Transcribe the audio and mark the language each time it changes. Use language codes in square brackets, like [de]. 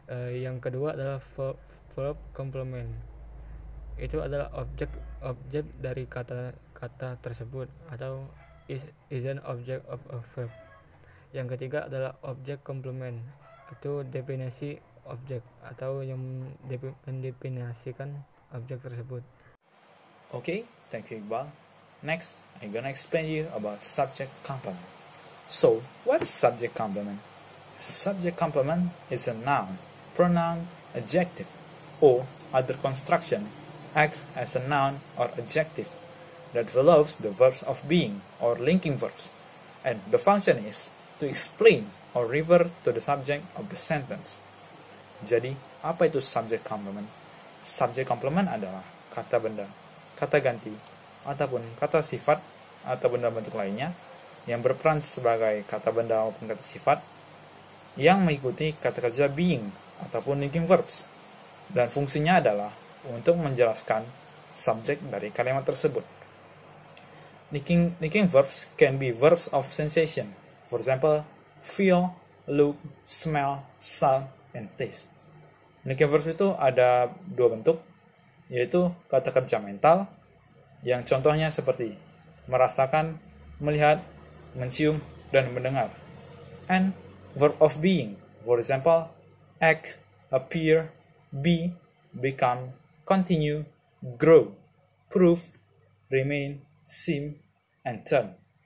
[id] Yang kedua adalah verb complement. Itu adalah objek dari kata-kata tersebut atau [en] is an object of a verb. [id] Yang ketiga adalah object complement, itu definisi objek atau yang mendefinisikan objek tersebut. [en] Okay, thank you Iqbal. Next, I'm gonna explain you about subject complement. So, what's subject complement? Subject complement is a noun, pronoun, adjective, or other construction, acts as a noun or adjective that follows the verbs of being or linking verbs, and the function is to explain or refer to the subject of the sentence. [id] Jadi, apa itu subject complement? Subject complement adalah kata benda, kata ganti, ataupun kata sifat, atau benda bentuk lainnya, yang berperan sebagai kata benda maupun kata sifat, yang mengikuti kata kerja being, ataupun linking verbs. Dan fungsinya adalah untuk menjelaskan subjek dari kalimat tersebut. [en] Linking verbs can be verbs of sensation. For example, feel, look, smell, sound, and taste. [id] Linking verbs itu ada dua bentuk, yaitu kata kerja mental, yang contohnya seperti merasakan, melihat, mencium, dan mendengar. [en] And verb of being, for example, act, appear, be, become, continue, grow, prove, remain, seem, and turn.